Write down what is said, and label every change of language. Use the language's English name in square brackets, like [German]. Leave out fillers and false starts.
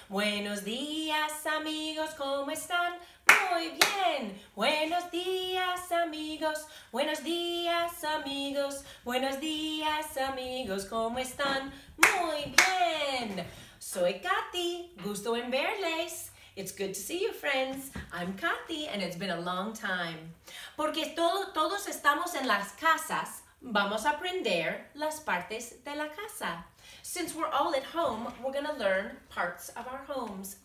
[Spanish] Buenos días amigos, ¿cómo están? Muy bien. Buenos días amigos, buenos días amigos, buenos días amigos, ¿cómo están? Muy bien. Soy Kathy, gusto en verles. [English] It's good to see you, friends. I'm Kathy, and it's been a long time. [Spanish] Porque todos estamos en las casas, vamos a aprender las partes de la casa. [English] Since we're all at home, we're gonna learn parts of our homes.